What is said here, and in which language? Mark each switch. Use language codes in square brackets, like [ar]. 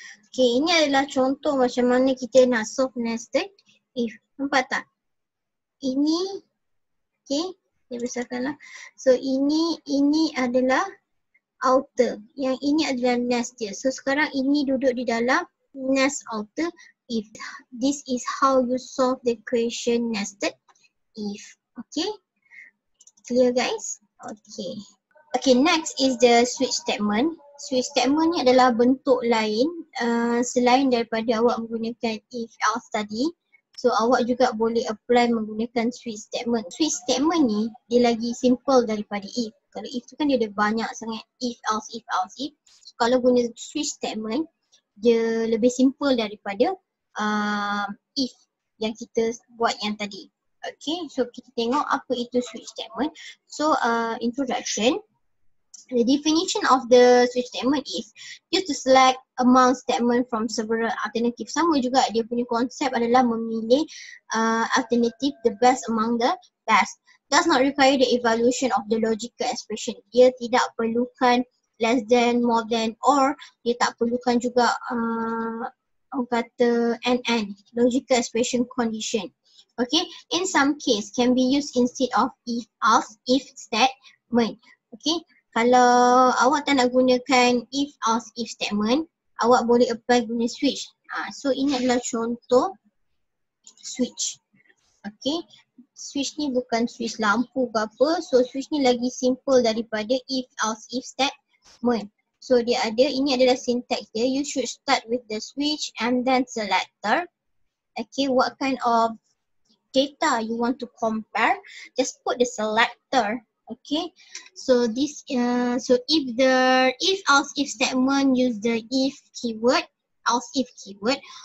[ms] Okay, ini adalah contoh macam mana kita nak solve nested if. Nampak tak? Ini, okay, dia besarkanlah. So, ini adalah outer. Yang ini adalah nest dia. So, sekarang ini duduk di dalam nest outer if. [en] This is how you solve the equation nested if. Okay? Clear, guys? Okay. Okay, next is the switch statement. [ms] Switch statement ni adalah bentuk lain selain daripada awak menggunakan if else tadi. So, awak juga boleh apply menggunakan switch statement. Switch statement ni, dia lagi simple daripada if. Kalau if tu kan dia ada banyak sangat if else, if else, if. So, kalau guna switch statement, dia lebih simple daripada if yang kita buat yang tadi. Okay, so kita tengok apa itu switch statement. So, introduction. [en] The definition of the switch statement is used to select among statement from several alternatives. [ms] Sama juga dia punya konsep adalah memilih alternative [en] the best among the best. Does not require the evaluation of the logical expression. [ms] Dia tidak perlukan [en] less than, more than, [ms] or dia tak perlukan juga orang kata [en] and logical expression condition. Okay, in some case can be used instead of if else if statement. Okay. [ms] Kalau awak tak nak gunakan if else if statement, awak boleh apply guna switch. So ini adalah contoh switch. Okay. Switch ni bukan switch lampu ke apa. So switch ni lagi simple daripada if else if statement. So dia ada, ini adalah syntax dia. [en] You should start with the switch and then selector. Okay, what kind of data you want to compare? Just put the selector. Okay, so this so if the if else if statement use the if keyword, else if keyword.